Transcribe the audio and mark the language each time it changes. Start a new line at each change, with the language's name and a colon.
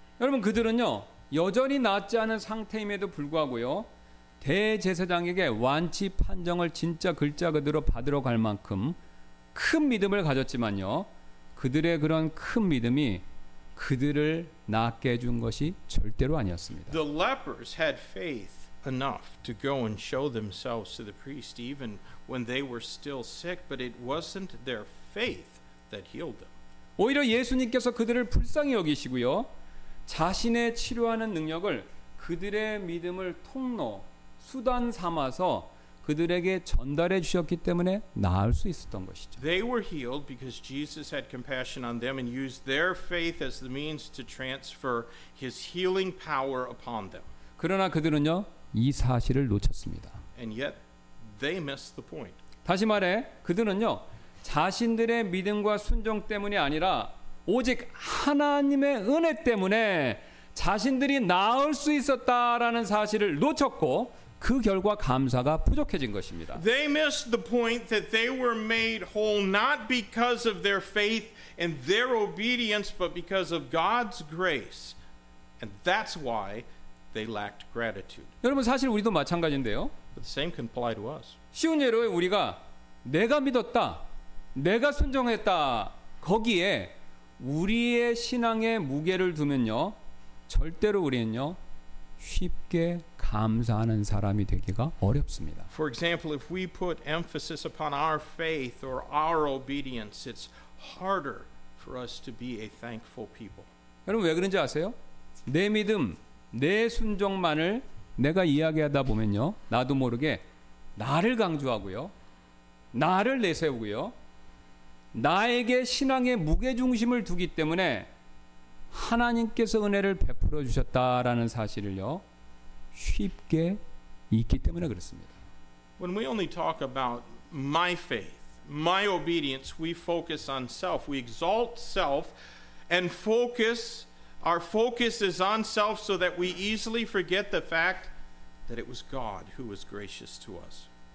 Korean: 여러분, 그들은요, 여전히 낫지 않은 상태임에도 불구하고요, 대제사장에게 완치 판정을 진짜 글자 그대로 받으러 갈 만큼 큰 믿음을 가졌지만요, 그들의 그런 큰 믿음이 그들을 낫게 해준 것이 절대로 아니었습니다.
English: The lepers had faith enough to go and show themselves to the priest even when they were still sick, but it wasn't their faith that healed them.
Korean: 오히려 예수님께서 그들을 불쌍히 여기시고요, 자신의 치료하는 능력을 그들의 믿음을 통로, 수단 삼아서 그들에게 전달해 주셨기 때문에 나을 수 있었던 것이죠.
English: They were healed because Jesus had compassion on them and used their faith as the means to transfer his healing power upon them.
Korean: 그러나 그들은요, 이 사실을 놓쳤습니다.
English: And yet they missed the point.
Korean: 다시 말해, 그들은요, 자신들의 믿음과 순종 때문이 아니라 오직 하나님의 은혜 때문에 자신들이 나을 수 있었다라는 사실을 놓쳤고 그 결과 감사가 부족해진 것입니다.
English: They missed the point that they were made whole not because of their faith and their obedience but because of God's grace. And that's why they lacked gratitude.
Korean: 여러분, 사실 우리도 마찬가지인데요.
English: But the same can apply to us.
Korean: 쉬운 예로 우리가 내가 믿었다, 내가 순종했다, 거기에 우리의 신앙의 무게를 두면요, 절대로 우리는요, 쉽게 감사하는 사람이 되기가 어렵습니다.
English: For example, if we put emphasis upon our faith or our obedience, it's harder for us to be a thankful people.
Korean: 여러분, 왜 그런지 아세요? 내 믿음, 내 순종만을 내가 이야기하다 보면요, 나도 모르게 나를 강조하고요, 나를 내세우고요, 나에게 신앙의 무게 중심을 두기 때문에 하나님께서 은혜를 베풀어 주셨다라는 사실을요, 쉽게 잊기 때문에 그렇습니다.
English: When we only talk about my faith, my obedience, we focus on self. We exalt self and focus our focus is on self so that we easily forget the fact that it was God who was gracious to us.